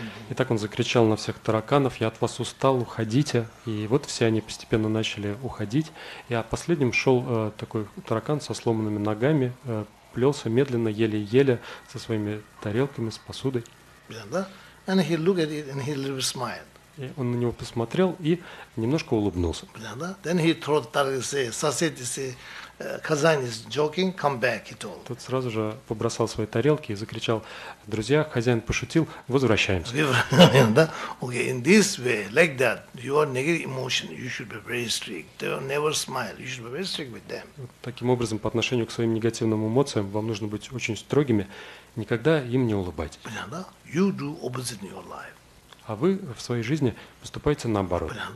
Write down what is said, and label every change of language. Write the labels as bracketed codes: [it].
[ru] И так он закричал на всех тараканов, я от вас устал, уходите. И вот все они постепенно начали уходить. И а последним шел такой таракан со сломанными ногами, плелся медленно, еле-еле, со своими тарелками, с посудой. [en] And he looked at it and he a little smiled. [ru] И он на него посмотрел и немножко улыбнулся. [en] Then he threw the tarak, say, сосед, say, Kazan is joking, come back, he told. [ru] Тот сразу же побросал свои тарелки и закричал, друзья, хозяин пошутил, возвращаемся. [en] Okay, in this way, like that, your negative emotion, you should be very strict. They will never smile, you should be very strict with them. [ru] Вот таким образом, по отношению к своим негативным эмоциям, вам нужно быть очень строгими, никогда им не улыбайтесь. [en] You do opposite in your life. [ru] А вы в своей жизни поступаете наоборот.